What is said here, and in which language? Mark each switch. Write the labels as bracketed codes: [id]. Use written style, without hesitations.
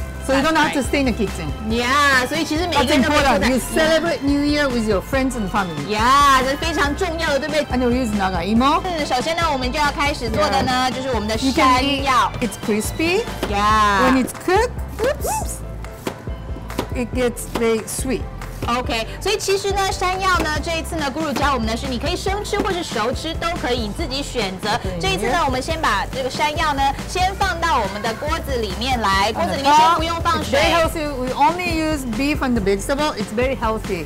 [en] So you don't have to stay in the kitchen. Yeah, so actually, that's important. You celebrate New Year with your friends and family. Yeah, that's [zh] 非常重要的，对不对？ [en] And we use 那个 emo. [zh] 首先呢，我们就要开始做的呢，就是我们的山药。 [en] It's crispy. Yeah. When it's cooked, oops, it gets very sweet. [zh] OK, 所以其实呢，山药呢，这一次呢，咕噜教我们的是，你可以生吃或是熟吃都可以，你自己选择。这一次呢，我们先把这个山药呢，先放到我们的锅子里面来。锅子里面先不用放水。 [en] Very healthy. We only use beef and the vegetable. It's very healthy.